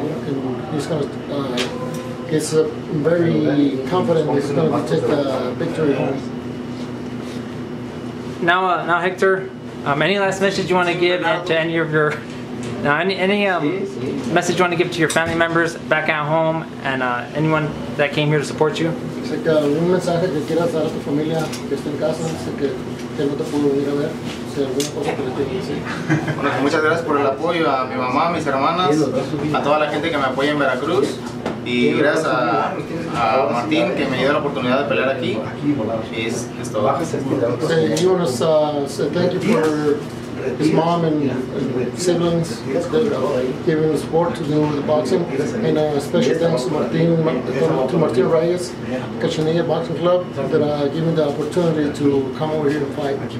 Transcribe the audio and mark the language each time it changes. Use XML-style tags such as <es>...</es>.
<en>And he's going to get very confident he's going to take the victory home. Now Hector, any last message you want to give to any of your... Now, any message you want to give to your family members back at home and anyone that came here to support you?</en> <es>Un mensaje que quieras dar a tu familia que está en casa, que no te pudo venir a ver, si alguna cosa que le tiene. Bueno, muchas gracias por el apoyo a mi mamá, a mis hermanas, a toda la gente que me apoya en Veracruz, y gracias a Martín que me dio la oportunidad de pelear aquí. Y es todo.</es> <en>Thank you for his mom and siblings giving the support to do the boxing, and especially thanks to Martin Reyes, Cachanilla Boxing Club, that gave me the opportunity to come over here and fight.</en>